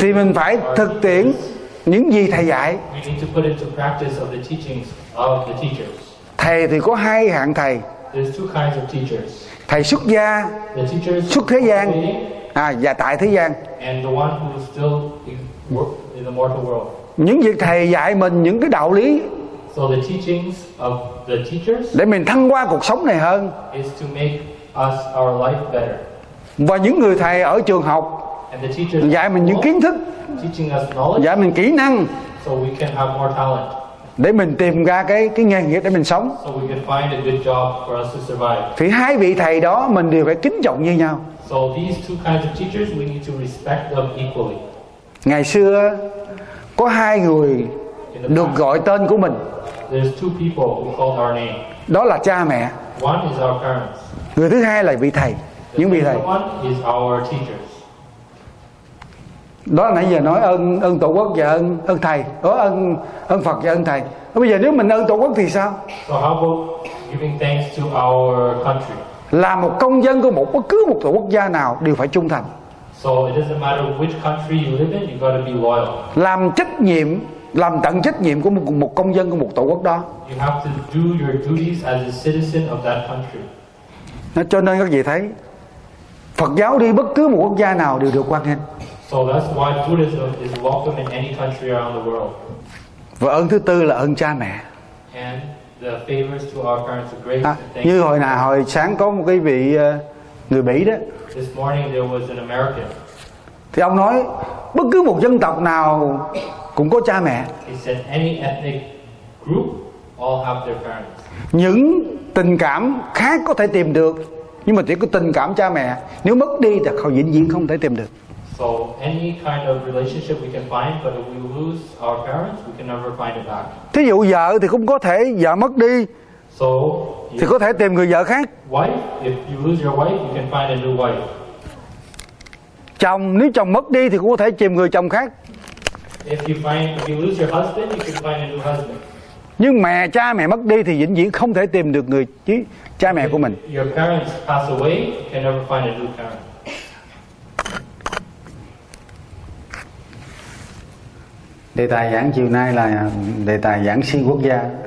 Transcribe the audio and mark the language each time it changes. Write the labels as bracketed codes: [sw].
[vi] thì mình phải thực tiễn những gì thầy dạy. [en] We need to put into practice of the teachings of the teachers. [vi] Thầy thì có hai hạng thầy. [en] There's two kinds of teachers. [vi] Thầy xuất gia, [en] the teachers [vi] xuất thế gian, và tại thế gian. [en] And the one who is still in the mortal world. [vi] Những việc thầy dạy mình những cái đạo lý. [en] So the teachings of the teachers. [vi] Để mình thăng qua cuộc sống này hơn. [en] Is to make us our life better. [vi] Và những người thầy ở trường học. [en] And the teachers [vi] dạy mình những kiến thức. [en] Teaching us knowledge. [vi] Dạy mình kỹ năng. [en] So we can have more talent. [vi] Để mình tìm ra cái nghề nghiệp để mình sống. [en] So we can find a good job for us to survive. [vi] Thì hai vị thầy đó mình đều phải kính trọng như nhau. [en] So these two kinds of teachers we need to respect them equally. [vi] Ngày xưa có hai người được gọi tên của mình. [en] There's two people who called our name. [vi] Đó là cha mẹ. [en] One is our parents. [vi] Người thứ hai là vị thầy. [en] The [vi] những vị thầy. [en] One is our teachers. [vi] Đó là nãy giờ nói ơn tổ quốc và ơn thầy, đó ơn Phật và ơn thầy. Bây giờ nếu mình ơn tổ quốc thì sao? [en] So how about giving thanks to our country? [vi] Là một công dân của một bất cứ một tổ quốc gia nào đều phải trung thành. [en] So it doesn't matter which country you live in, you got to be loyal. [vi] Làm trách nhiệm, làm tận trách nhiệm của một công dân của một tổ quốc đó. [en] You have to do your duties as a citizen of that country. [vi] Nó cho nên các vị thấy Phật giáo đi bất cứ một quốc gia nào đều được hoan nghênh. [en] So that's why Buddhism is welcome in any country around the world. [vi] Và ơn thứ tư là ơn cha mẹ. [en] And the favors to our parents are great. [vi] Như hồi nào hồi sáng có một cái vị người Mỹ đó. [en] This morning there was an American. [vi] Thì ông nói bất cứ một dân tộc nào cũng có cha mẹ. [en] He said any ethnic group all have their parents. [vi] Những tình cảm khác có thể tìm được, nhưng mà chỉ có tình cảm cha mẹ nếu mất đi thì họ vĩnh viễn không thể tìm được. [en] So any kind of relationship we can find, but if we lose our parents, we can never find it back. [vi] Thí dụ vợ thì cũng có thể vợ mất đi. [en] So [vi] thì có thể tìm người vợ khác. [en] Wife, if you lose your wife, you can find a new wife. [vi] Chồng, nếu chồng mất đi thì cũng có thể tìm người chồng khác. [en] If you lose your husband, you can find a new husband. [vi] Nhưng mẹ cha mẹ mất đi thì vĩnh viễn không thể tìm được người chứ cha mẹ của mình. [en] Your parents pass away, you can never find a new parent. [vi] Đề tài giảng chiều nay là đề tài giảng xuyên quốc gia.